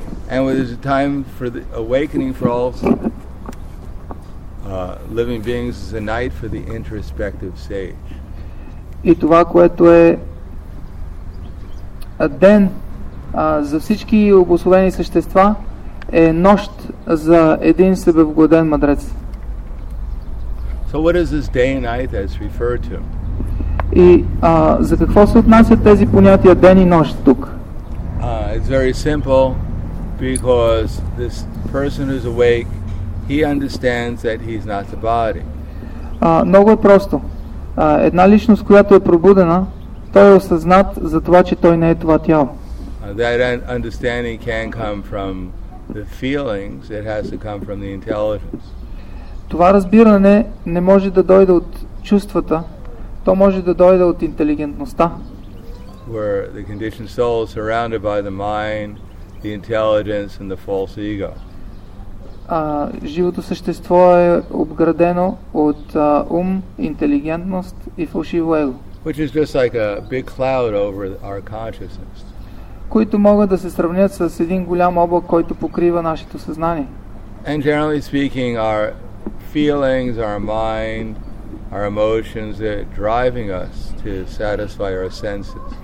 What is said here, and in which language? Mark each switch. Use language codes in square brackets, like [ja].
[en] And when there's a time for the awakening for all living beings is a night for the introspective sage. [bg] И това, което е ден за всички обусловени същества, е нощ за един себевгоден мъдрец. [en] So what is this day and night that's referred to? [bg] И за какво се отнасят тези понятия ден и нощ тук? [en] It's very simple, because this person who's awake, he understands that he's not the body. [bg] Много е просто. Една личност, която е пробудена, той е осъзнат за това, че той не е това тяло. [en] That understanding can come from the feelings, it has to come from the intelligence. [bg] Това разбиране не може да дойде от чувствата, то може да дойде от интелигентността. [en] Where the conditioned soul is surrounded by the mind, the intelligence and the false ego. [bg] Живото същество е обградено от ум, интелигентност и фалшиво его. [en] Which is just like a big cloud over our consciousness. [bg] Които могат да се сравнят с един голям облак, който покрива нашето съзнание. [en] And generally speaking, our feelings, our mind, our emotions that are driving us to satisfy our senses.